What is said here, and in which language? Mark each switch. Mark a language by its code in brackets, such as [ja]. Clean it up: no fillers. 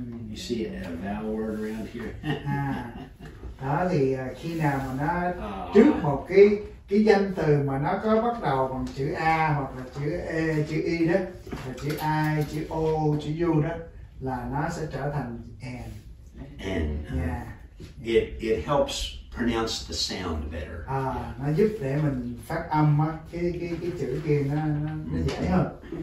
[en] You see a vowel word around here? [vi] Đó thì khi nào mà nó trước một cái danh từ mà nó có bắt đầu bằng chữ A hoặc là chữ E, chữ I đó, là chữ I, chữ O, chữ U đó, là nó sẽ trở thành N. N. [en] Yeah. It helps pronounce the sound better. [vi] Nó giúp để mình phát âm á, cái chữ kia nó dễ hơn.